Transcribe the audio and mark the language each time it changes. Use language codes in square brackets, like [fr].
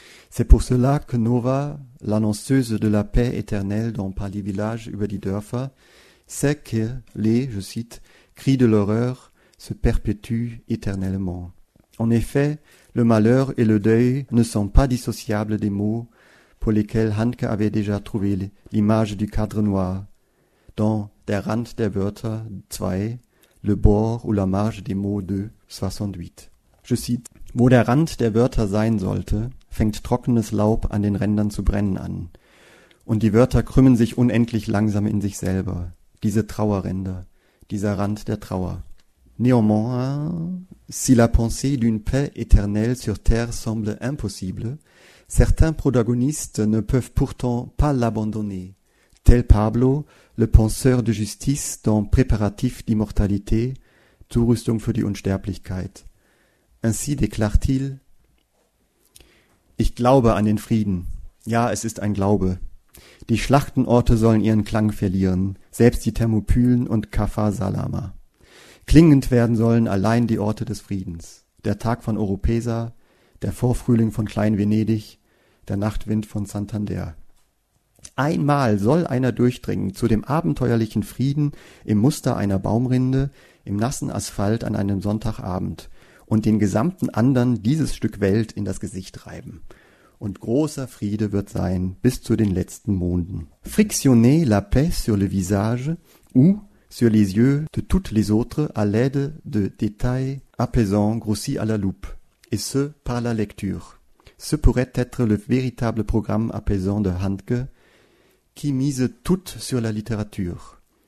[fr] C'est pour cela que Nova, l'annonceuse de la paix éternelle dont parlent les villages über die Dörfer, sait que les, je cite, « cris de l'horreur se perpétuent éternellement ». En effet, le malheur et le deuil ne sont pas dissociables des mots pour lesquels Handke avait déjà trouvé l'image du cadre noir, dans « Der Rand der Wörter 2 »,« Le bord ou la marge des mots 2, 68 ». [de] Je cite « Wo der Rand der Wörter sein sollte, fängt trockenes Laub an den Rändern zu brennen an. Und die Wörter krümmen sich unendlich langsam in sich selber, diese Trauerränder, dieser Rand der Trauer. [fr] Néanmoins, si la pensée d'une paix éternelle sur terre semble impossible, certains protagonistes ne peuvent pourtant pas l'abandonner, tel Pablo, le penseur de justice dans Préparatif d'immortalité, Zurüstung für die Unsterblichkeit. [de] Ainsi déclare-t-il: Ich glaube an den Frieden. Ja, es ist ein Glaube. Die Schlachtenorte sollen ihren Klang verlieren, selbst die Thermopylen und Kafar Salama. Klingend werden sollen allein die Orte des Friedens. Der Tag von Oropesa, der Vorfrühling von Klein-Venedig, der Nachtwind von Santander. Einmal soll einer durchdringen zu dem abenteuerlichen Frieden im Muster einer Baumrinde, im nassen Asphalt an einem Sonntagabend und den gesamten anderen dieses Stück Welt in das Gesicht reiben. Und großer Friede wird sein bis zu den letzten Monden. [fr] Frictionner la paix sur le visage ou sur les yeux de toutes les autres à l'aide de détails apaisants grossis à la loupe, et ce, par la lecture. Ce pourrait être le véritable programme apaisant de Handke, qui mise tout sur la littérature.